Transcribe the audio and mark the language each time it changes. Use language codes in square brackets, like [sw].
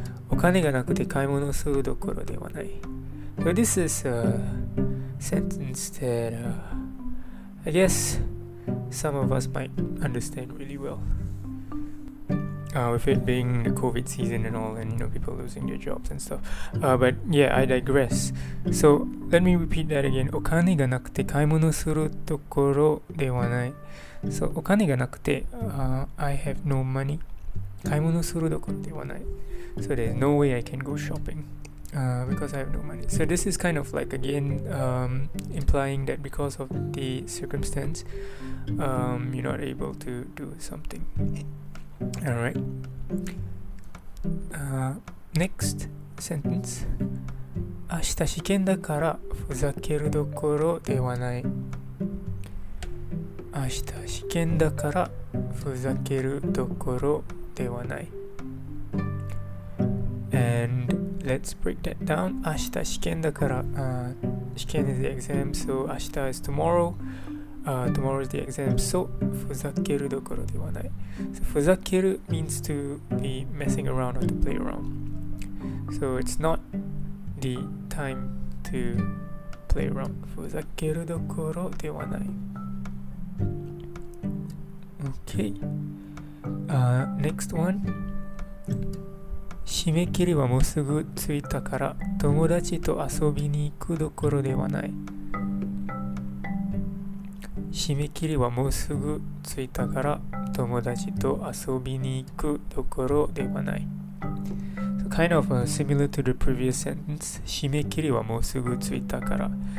[ja] お金がなくて買い物をするどころではない。 [en] So this is a sentence that I guess some of us might understand really well. With it being the COVID season and all, and you know, people losing their jobs and stuff. But yeah, I digress. So let me repeat that again. [ja] お金がなくて買い物するところではない。 So お金がなくて、 [en] I have no money. [ja] 買い物するところではない。 [en] So there's no way I can go shopping. Because I have no money. So this is kind of like again implying that because of the circumstance, you're not able to do something. Alright. Next sentence. [ja] 明日試験だからふざけるどころではない。明日試験だからふざけるどころではない。 [en] And let's break that down. [ja] 明日試験だから、 [en] 試験 is the exam, so 明日 is tomorrow. Tomorrow is the exam. So, [ja] ふざけるどころではない。 [en] So, ふざける means to be messing around or to play around. So, it's not the time to play around. [ja] ふざけるどころではない。 [en] Okay. Next one. [ja] 締め切りはもうすぐ着いたから、友達と遊びに行くどころではない。締め切りはもうすぐ着いたから、友達と遊びに行くどころではない。 [en] So kind of similar to the previous sentence. [ja] 締め切りはもうすぐ着いたから。